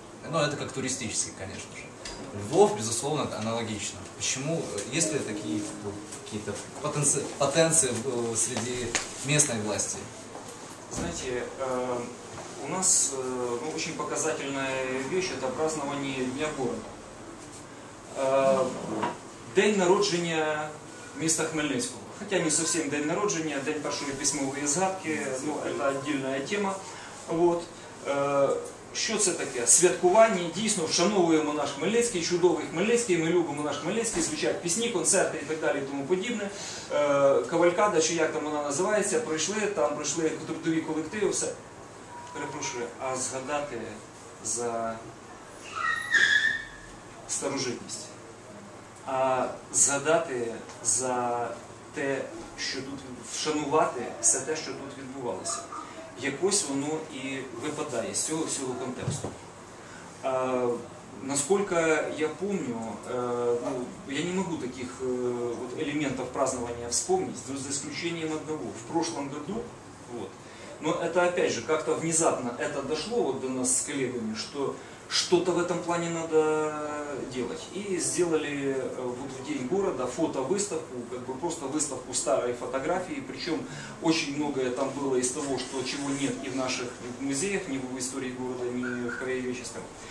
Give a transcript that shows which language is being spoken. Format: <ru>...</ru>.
<ru>Ну, это как туристический, конечно же. Львов, безусловно, аналогично. Почему? Есть ли такие какие-то потенции среди местной власти? Знаете, у нас очень показательная вещь — это празднование Дня города.</ru> <uk>День народження міста Хмельницького.</uk> <ru>Хотя не совсем</ru> <uk>день народження, день першої письмової згадки,</uk> <ru>ну, это отдельная тема. Вот.</ru> <uk>Що це таке? Святкування. Дійсно, вшановуємо наш Хмельницький, чудовий Хмельницький, ми любимо наш Хмельницький, звучать пісні, концерти і так далі, і тому подібне. Кавалькада, чи як там вона називається, прийшли трудові колективи, все. Перепрошую, а згадати за старожитність? А згадати за те, що тут вшанувати все те, що тут відбувалося? Якось воно і випадає з цього всього контексту. Наскільки я пам'ятаю, я не можу таких елементів празднування вспомнити,</uk> <ru>за исключением одного. В прошлом году, вот, но это опять же как-то внезапно это дошло до нас с коллегами, что что-то в этом плане надо делать. И сделали вот в день города фотовыставку, как бы просто выставку старой фотографии. Причем очень многое там было из того, что, чего нет и в наших музеях, ни в истории города, ни в краеведческом.</ru>